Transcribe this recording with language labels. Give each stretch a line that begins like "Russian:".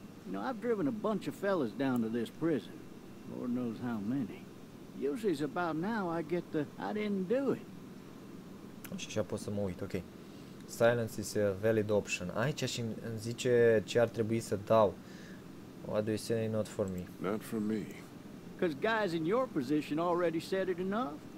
English: You know, I've driven a bunch of fellas down to this prison. Lord knows how many. Usually it's about now I get the I didn't do it.
Romanian: Și așa pot să mă uit, ok.
English: Silence is a valid option.
Romanian: Aici și îmi zice ce ar trebui să dau.
English: What do you say, not for me? Not for me. Because guys in your position already said it enough.